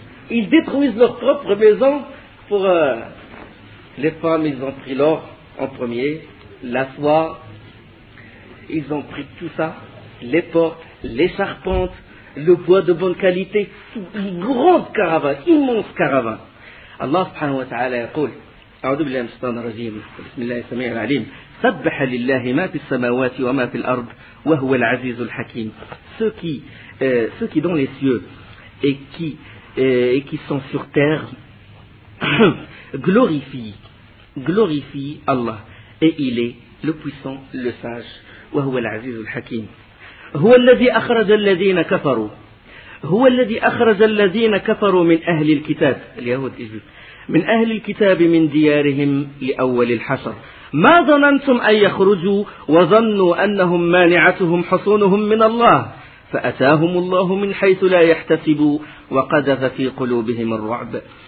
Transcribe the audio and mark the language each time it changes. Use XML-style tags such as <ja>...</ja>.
<fr>Ils détruisent leur propre maison pour les femmes, ils ont pris l'or en premier, la soie. Ils ont pris tout ça, les portes, les charpentes, le bois de bonne qualité, une grande caravane, immense caravane.</fr> <ar>Allah subhanahu wa ta'ala yaqul. أعوذ بالله من الشيطان الرجيم بسم الله السميع العليم سبح لله ما في السماوات وما في الأرض وهو العزيز الحكيم</ar> <fr>ceux qui dans les cieux et qui sont sur terre glorifient glorifie Allah. Et il est le puissant, le sage.</fr> <ar>Wa huwa al-aziz al-hakim. هو الذي أخرج الذين كفروا هو الذي أخرج الذين كفروا من أهل الكتاب اليهود من أهل الكتاب من ديارهم لأول الحشر ما ظننتم أن يخرجوا وظنوا أنهم مانعتهم حصونهم من الله فأتاهم الله من حيث لا يحتسبوا وقذف في قلوبهم الرعب.</ar>